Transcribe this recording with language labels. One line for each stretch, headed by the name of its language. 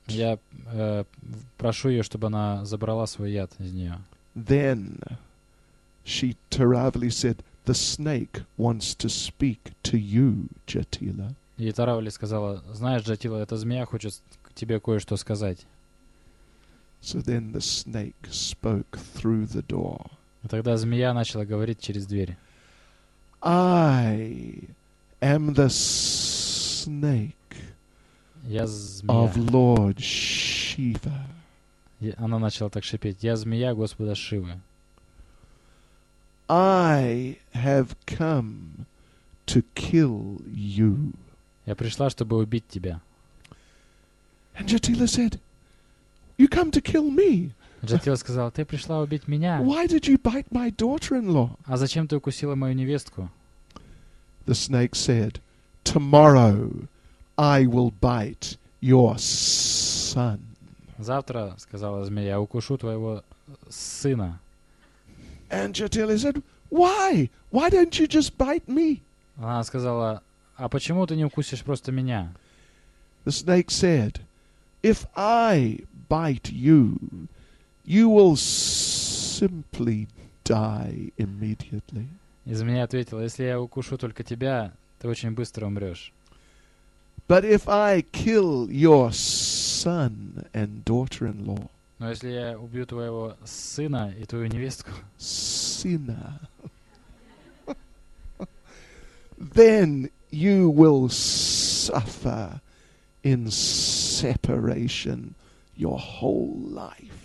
Russian: Я прошу ее, чтобы она забрала свой яд из нее.
English: Then She Taravali said, "The snake wants to speak to you, Jatila."
Russian: И Таравали сказала: "Знаешь, Джатила, эта змея хочет тебе кое-что сказать."
English: So then the snake spoke through the door.
Russian: И тогда змея начала говорить через дверь.
English: "I am the snake of Lord Shiva."
Russian: Она начала так шипеть: "Я змея Господа Шивы."
English: "I have come to kill you."
Russian: Я пришла, чтобы убить тебя.
English: And Jatila said, "You come to kill me."
Russian: Jatila сказала: "Ты пришла убить меня."
English: "Why did you bite my daughter-in-law?"
Russian: А зачем ты укусила мою невестку?
English: The snake said, "Tomorrow I will bite your son."
Russian: Завтра, сказала змея, я укушу твоего сына.
English: And Jatila said, "Why? Why don't you just bite me?"
Russian: Она сказала: "А почему ты не укусишь просто меня?"
English: The snake said, "If I bite you, you will simply die immediately."
Russian: И змея ответила: "Если я укушу только тебя, ты очень быстро умрёшь."
English: "But if I kill your son and daughter-in-law."
Russian: Но если я убью твоего сына и твою невестку,
English: сына, then you will suffer in separation your whole life.